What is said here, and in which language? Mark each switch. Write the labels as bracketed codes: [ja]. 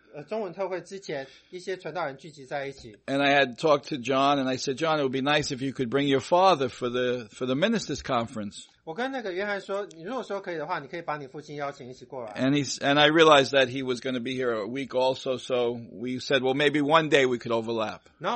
[zh] 中文特会之前，一些传道人聚集在一起。 [en] And I had talked to John, and I said, John, it would be nice if you could bring your father for the ministers' conference. [zh] 我跟那个约翰说，你如果说可以的话，你可以把你父亲邀请一起过来。 [en] And I realized that he was going to be here a week also, so we said, well, maybe one day we could overlap.